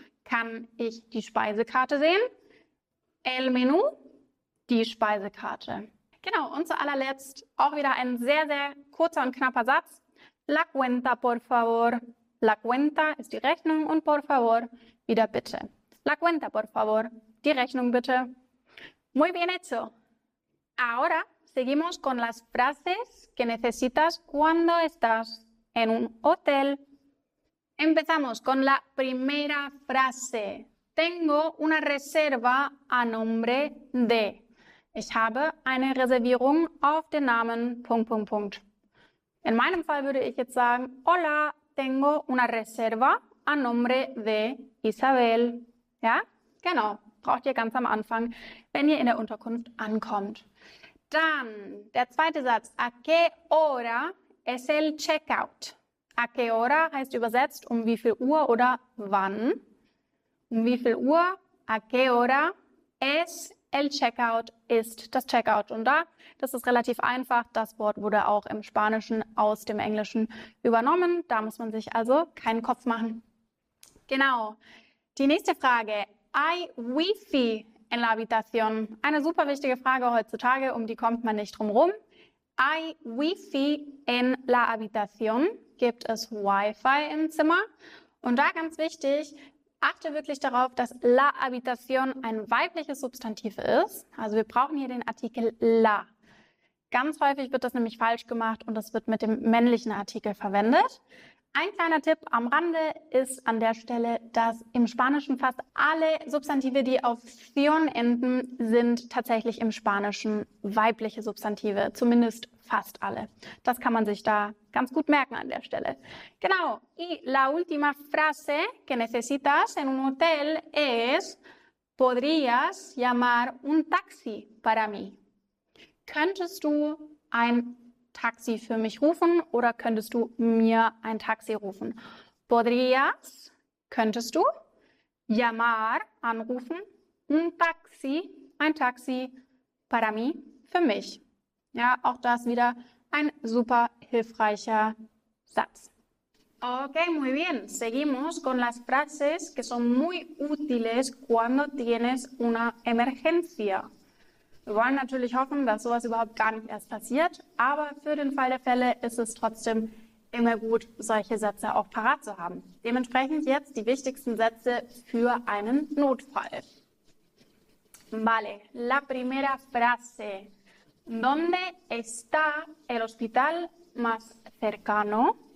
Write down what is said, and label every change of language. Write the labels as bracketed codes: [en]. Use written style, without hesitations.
[de] Kann ich die Speisekarte sehen? [es] El menú, [de] die Speisekarte. Genau, und zu allerletzt auch wieder ein sehr, sehr kurzer und knapper Satz. [es] La cuenta, por favor. La cuenta [de] ist die Rechnung und [es] por favor, [de] wieder bitte. [es] La cuenta, por favor. [de] Die Rechnung, bitte. [es] Muy bien hecho. Ahora seguimos con las frases que necesitas cuando estás en un hotel. Empezamos con la primera frase. Tengo una reserva a nombre de. [de] Ich habe eine Reservierung auf den Namen ... In meinem Fall würde ich jetzt sagen, [es] hola, tengo una reserva a nombre de [de] Isabel. Ja, genau. Braucht ihr ganz am Anfang, wenn ihr in der Unterkunft ankommt. Dann der zweite Satz. [es] ¿A qué hora es el checkout? ¿A qué hora [de] heißt übersetzt um wie viel Uhr oder wann? Um wie viel Uhr? [es] ¿A qué hora es el checkout? [de] Ist das Checkout. Und da, das ist relativ einfach. Das Wort wurde auch im Spanischen aus dem Englischen übernommen. Da muss man sich also keinen Kopf machen. Genau. Die nächste Frage. ¿Hay Wi-Fi en la habitación? Eine super wichtige Frage heutzutage, um die kommt man nicht drum rum. ¿Hay Wi-Fi en la habitación? Gibt es Wi-Fi im Zimmer? Und da ganz wichtig, achte wirklich darauf, dass la habitación ein weibliches Substantiv ist. Also wir brauchen hier den Artikel la. Ganz häufig wird das nämlich falsch gemacht und das wird mit dem männlichen Artikel verwendet. Ein kleiner Tipp am Rande ist an der Stelle, dass im Spanischen fast alle Substantive, die auf Cion enden, sind tatsächlich im Spanischen weibliche Substantive. Zumindest fast alle. Das kann man sich da ganz gut merken an der Stelle. Genau. [es] Y la última frase que necesitas en un hotel es ¿Podrías llamar un taxi para mí? [de] Könntest du ein Taxi für mich rufen oder könntest du mir ein Taxi rufen? [es] ¿Podrías? [de] Könntest du? [es] Llamar, [de] anrufen. [es] Un taxi, [de] ein Taxi. [es] Para mí, [de] für mich. Ja, auch das wieder ein super hilfreicher Satz. [es] Okay, muy bien. Seguimos con las frases que son muy útiles cuando tienes una emergencia. [de] Wir wollen natürlich hoffen, dass sowas überhaupt gar nicht erst passiert, aber für den Fall der Fälle ist es trotzdem immer gut, solche Sätze auch parat zu haben. Dementsprechend jetzt die wichtigsten Sätze für einen Notfall. [es] Vale, la primera frase. ¿Dónde está el hospital más cercano?